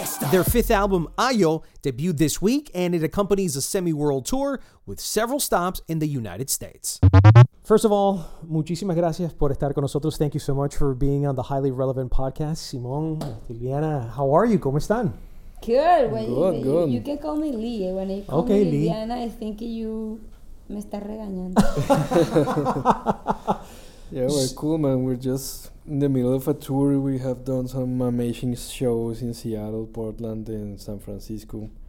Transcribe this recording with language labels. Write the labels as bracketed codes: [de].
[en] Their fifth album, Ayo, debuted this week, and it accompanies a semi-world tour with several stops in the United States. [es] First of all, muchísimas gracias por estar con nosotros. [en] Thank you so much for being on the Highly Relevant Podcast. Simón, Liliana, how are you? [es] ¿Cómo están? [en] Good. Well, good. You can call me Lee. When I call me Lee. Liliana, I think you [es] me está regañando. [en] Yeah, we're cool, man. We're just in the middle of a tour. We have done some amazing shows in Seattle, Portland, and San Francisco.